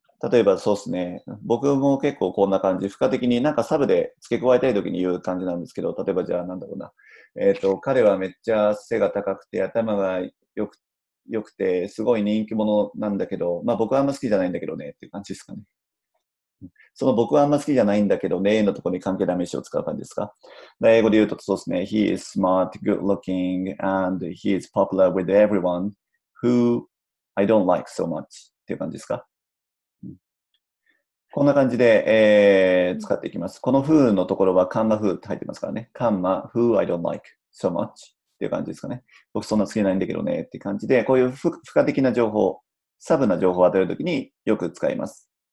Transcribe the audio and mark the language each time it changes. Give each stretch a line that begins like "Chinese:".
Japanese: 例えばそうですね。僕も結構こんな感じ、付加的になんかサブで付け加えたいときに言う感じなんですけど、例えばじゃあなんだろうな。彼はめっちゃ背が高くて頭が良くてすごい人気者なんだけど、まあ僕はあんま好きじゃないんだけどねっていう感じですかね。その僕はあんま好きじゃないんだけどねのところに関係代名詞を使う感じですか。で英語で言うとそうですね。
English: He is smart, good looking, and he is popular with everyone who I don't like so much
Japanese: っていう感じですか。こんな感じで、使っていきます。この who のところはカンマ who って入ってますからね。カンマ who
English: I don't like so much
Japanese: っていう感じですかね。僕そんな好きないんだけどねって感じで、こういう付加的な情報、サブな情報を与えるときによく使います。